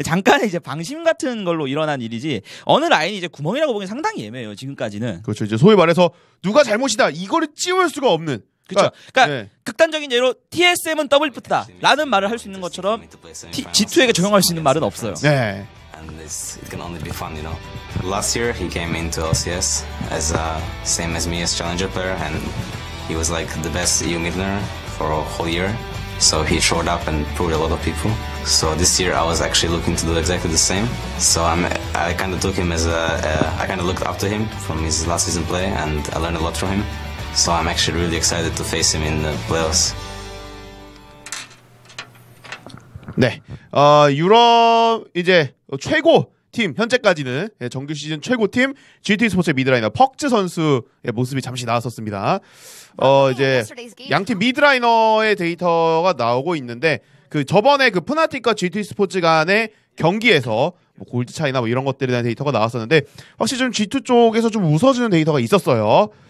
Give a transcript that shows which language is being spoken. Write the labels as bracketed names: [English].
[Korean] 잠깐의 이제 방심 같은 걸로 일어난 일이지. 어느 라인이 이제 구멍이라고 보기엔 상당히 애매해요. 지금까지는. 그렇죠. 이제 소위 말해서 누가 잘못이다. 이거를 찌울 수가 없는. 그렇죠. 그러니까 네. 극단적인 예로 TSM은 더블리프트다. 라는 말을 할 수 있는 것처럼 G2에게 적용할 수 있는 말은 없어요. 네. [English] And this it can only be fun, you know. Last year he came into LCS as same as me as challenger player, and he was like the best EU midner for a whole year. So he showed up and proved a lot of people. So this year I was actually looking to do exactly the same. So I kind of took him as I kind of looked up to him from his last season play, and I learned a lot from him. So I'm actually really excited to face him in the playoffs. [Korean] 네, 유럽 이제 최고 팀 현재까지는 정규 시즌 최고 팀 GT 스포츠 미드라이너 퍽즈 선수의 모습이 잠시 나왔었습니다. 이제 양팀 미드라이너의 데이터가 나오고 있는데 그 저번에 그 푸나틱과 GT 스포츠 간의 경기에서 뭐 골드 차이나 뭐 이런 것들에 대한 데이터가 나왔었는데 확실히 좀 G2 쪽에서 좀 웃어주는 데이터가 있었어요.